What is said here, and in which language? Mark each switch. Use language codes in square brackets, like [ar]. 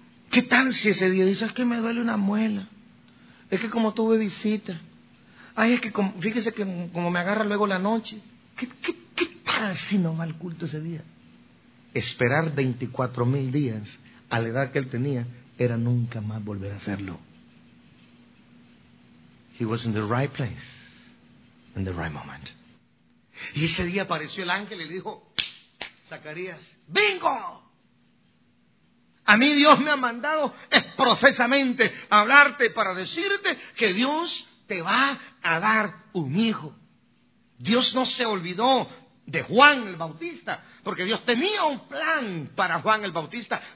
[es] ¿Qué tal si ese día dice, es que me duele una muela? Es que como tuve visita. Ay, es que como, fíjese que como me agarra luego la noche. ¿Qué tal si no va al culto ese día? Esperar 24,000 días a la edad que él tenía, era nunca más volver a hacerlo. [en] He was in the right place, in the right moment. [es] Y ese día apareció el ángel y le dijo, Zacarías, ¡bingo! A mí Dios me ha mandado expresamente hablarte para decirte que Dios te va a dar un hijo. Dios no se olvidó de Juan el Bautista, porque Dios tenía un plan para Juan el Bautista.